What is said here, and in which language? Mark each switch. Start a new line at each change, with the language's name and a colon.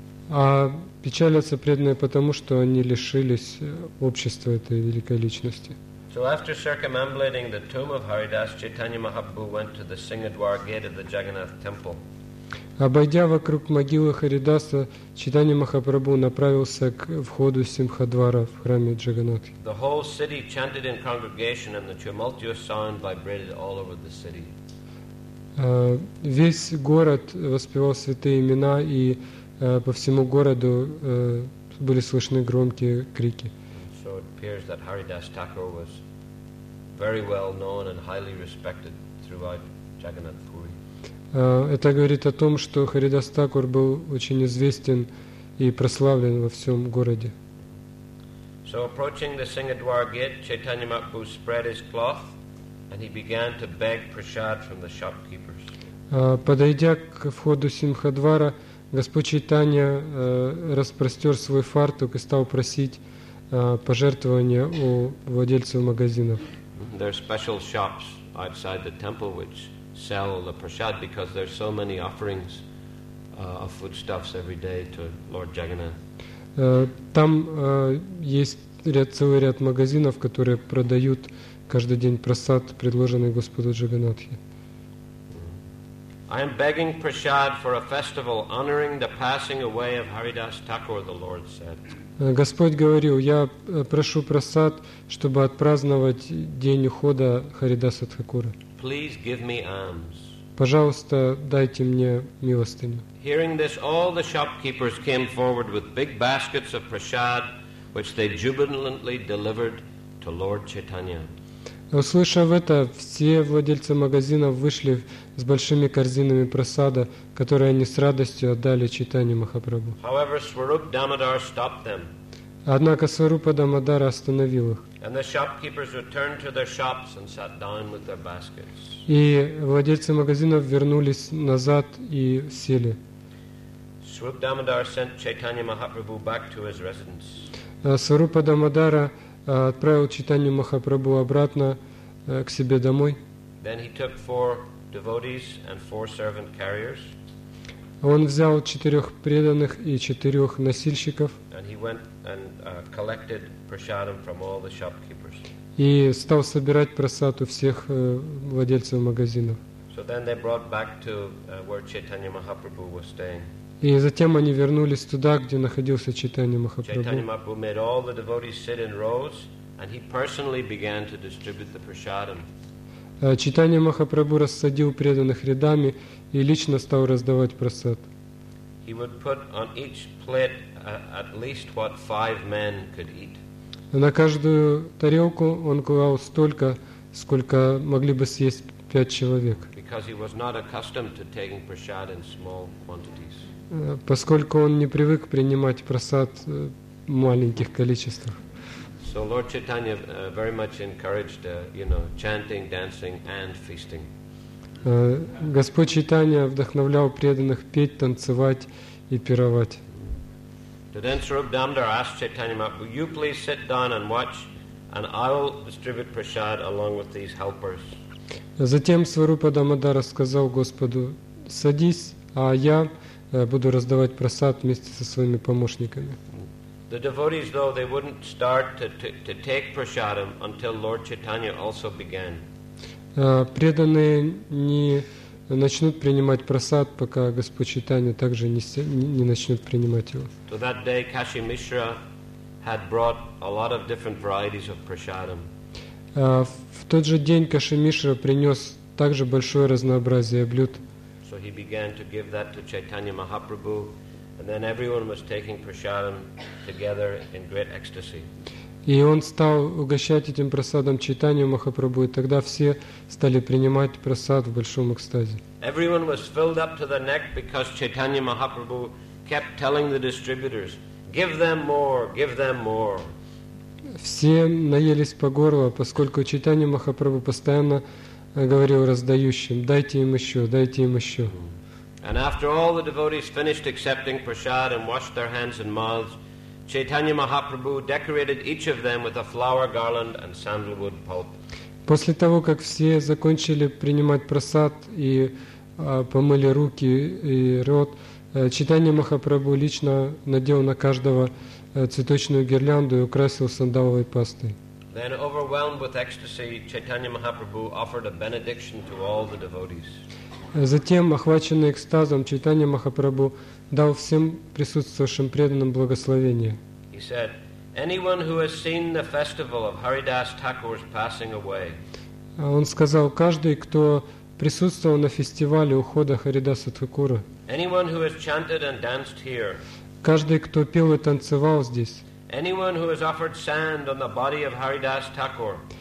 Russian: А печалятся преданные потому, что они лишились общества этой великой личности.
English: So after circumambulating the tomb of Haridas, Chaitanya Mahaprabhu went to the Singhadwar gate of the Jagannath temple.
Russian: Обойдя вокруг могилы Харидаса, Чайтанья Махапрабху направился к входу Симхадвара в храме Джаганнатхи.
English: The whole city chanted in congregation and the tumultuous sound vibrated all over the city.
Russian: Весь город воспевал святые имена, и по всему городу были слышны громкие крики.
English: So it appears that Haridas Thakur was very well known and highly respected throughout Jagannath Puri.
Russian: Это говорит о том, что Харидас Такур был очень известен и прославлен во всем городе.
English: So approaching the Singhadwar gate, Chaitanya Mahaprabhu spread his cloth and he began to beg prasad from the shopkeepers.
Russian: Подойдя к входу Симхадвара, Господь Чайтанья распростер свой фартук и стал просить пожертвования у владельцев магазинов.
English: There are special shops outside the temple which sell the prasad because there's so many offerings of foodstuffs every day to Lord Jagannath.
Russian: Там есть целый ряд магазинов, которые продают каждый день прасад, предложенный Господу Джаганнатхи.
English: I am begging prasad for a festival honoring the passing away of Haridas Thakur, the Lord said.
Russian: Господь говорил: я прошу прасад, чтобы отпраздновать день ухода Харидаса Тхакура.
English: Please give me alms.
Russian: Пожалуйста, дайте мне милостыню.
English: Hearing this, all the shopkeepers came forward with big baskets of prasad, which they jubilantly delivered to Lord Chaitanya.
Russian: Услышав это, все владельцы магазинов вышли с большими корзинами прасада, которые они с радостью отдали Чайтанье Махапрабху.
English: However, Swarup Damodar stopped them.
Russian: Однако Сварупа Дамодара остановил их.
English: And the shopkeepers returned to their shops and sat down with their baskets.
Russian: И владельцы магазинов вернулись назад и сели.
English: Swarup Damodar sent Chaitanya Mahaprabhu back to his residence.
Russian: Сварупа Дамодара отправил Чайтанью Махапрабху обратно к себе домой.
English: Then he took four devotees and four servant carriers.
Russian: Он взял четырех преданных и четырех носильщиков.
English: And he went and collected prasadam from all the shopkeepers.
Russian: И стал собирать прасад у всех владельцев магазинов.
English: So then they brought back to where Chaitanya Mahaprabhu was staying.
Russian: И затем они вернулись туда, где находился Чайтанья Махапрабху.
English: Chaitanya Mahaprabhu made all the devotees sit in rows, and he personally began to distribute the prasadam.
Russian: Чайтанья Махапрабху рассадил преданных рядами и лично стал раздавать прасад.
English: He would put on each plate at least what five men could eat.
Russian: На каждую тарелку он клал столько, сколько могли бы съесть пять человек.
English: Because he was not accustomed to taking prasad in small quantities.
Russian: Поскольку он не привык принимать прасад в маленьких количествах.
English: So Lord Chaitanya very much encouraged, you know, chanting, dancing and feasting.
Russian: Господь Чайтанья вдохновлял преданных петь, танцевать и пировать.
English: So then Swarup Damodar asked Chaitanya Mahaprabhu, will you please sit down and watch and I'll distribute prasad along with these helpers.
Russian: Затем Сварупа Дамодара сказал Господу: садись, а я буду раздавать прасад вместе со своими помощниками.
English: The devotees, though, they wouldn't start to take prasadam until Lord Chaitanya also began.
Russian: Преданные не начнут принимать прасад, пока Господь Чайтанья также не начнет принимать его.
English: So that day, Kashi Mishra had brought a lot of different varieties of prasadam.
Russian: В тот же день Каши Мишра принес также большое разнообразие блюд.
English: So he began to give that to Chaitanya Mahaprabhu. And then everyone was taking prasadam together in great ecstasy.
Russian: И он стал угощать этим прасадом Чайтанью Махапрабху, и тогда все стали принимать прасад в большом экстазе.
English: Everyone was filled up to the neck because Chaitanya Mahaprabhu kept telling the distributors, give them more, give them more.
Russian: все наелись по горло, поскольку Чайтанья Махапрабху постоянно говорил раздающим, дайте им еще, дайте им еще.
English: And after all the devotees finished accepting prasad and washed their hands and mouths, Chaitanya Mahaprabhu decorated each of them with a flower garland and sandalwood pulp.
Russian: После того, как все закончили принимать прасад и помыли руки и рот, Чайтанья Махапрабху лично надел на каждого цветочную гирлянду и украсил сандаловой пастой.
English: Then, overwhelmed with ecstasy, Chaitanya Mahaprabhu offered a benediction to all the devotees.
Russian: Затем, охваченный экстазом, Чайтанья Махапрабху дал всем присутствующим преданным благословение.
English: He said, "Anyone who has seen the festival of Haridas Thakur's passing away."
Russian: Он сказал, каждый, кто присутствовал на фестивале ухода Харидаса Тхакура.
English: Anyone who has chanted and danced here.
Russian: Каждый, кто пел и танцевал здесь.
English: Anyone who has offered sand on the body of Haridas Thakur.